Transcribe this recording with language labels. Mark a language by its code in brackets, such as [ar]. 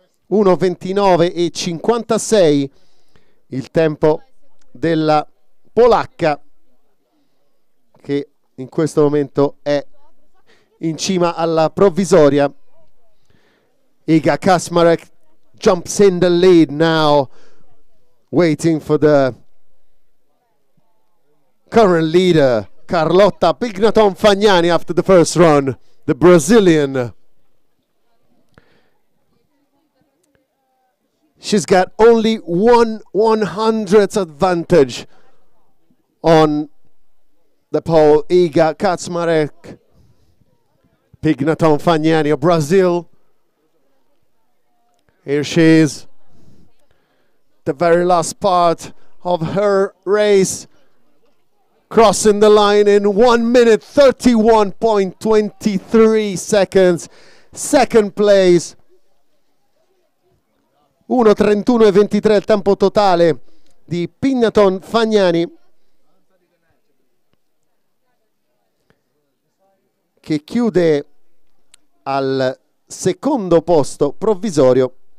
[it] 1:29:56 il tempo della polacca, che in questo momento è in cima alla provvisoria. [en] Iga Kaczmarek jumps in the lead now, waiting for the current leader, Carlotta Pignaton Fagnani, after the first run, the Brazilian. She's got only 1/100th advantage on the pole, Iga Kaczmarek. Pignaton Fagnani of Brazil. Here she is, the very last part of her race, crossing the line in 1 minute, 31.23 seconds, second place. [it] 1:31:23 il tempo totale di Pignaton Fagnani, che chiude al secondo posto provvisorio.